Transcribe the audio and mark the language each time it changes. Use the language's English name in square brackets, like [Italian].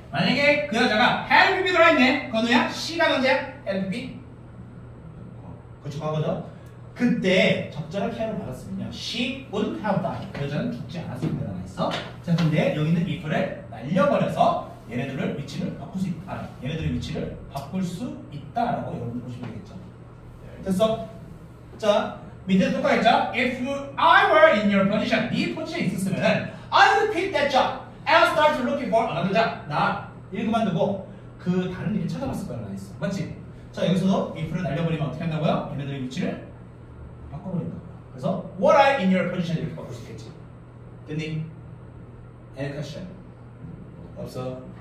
[Korean] 만약에 그 여자가 [English] had a baby [Korean] 들어있네. 건우야, she랑 언제야? had a baby? 그렇죠, 과거죠? [English] 그때 적절한 케어를 받았으면 she wouldn't have died. [Korean] 그 여자는 죽지 않았습니다. 그래서 자, 근데 여기 있는 if를 날려버려서 얘네들을 위치를 바꿀 수 있다. 얘네들의 위치를 바꿀 수 있다라고 여러분들 보시면 되겠죠. 됐어? 자, 밑에 똑같죠? [English] If you, I were in your position, [Korean] 네 포지션에 있었으면 [English] I would quit that job. I'll start looking for another job. [Korean] 나 일 그만두고 그 다른 일을 찾아봤을 거라고 했어. 맞지? 자, 여기서도 if를 날려버리면 어떻게 한다고요? 얘네들의 위치를 바꿔버린다. 그래서 [English] What I in your position [Korean] 이렇게 바꿀 수 있겠지. 됐니? [English] Any question? [Korean] 없어.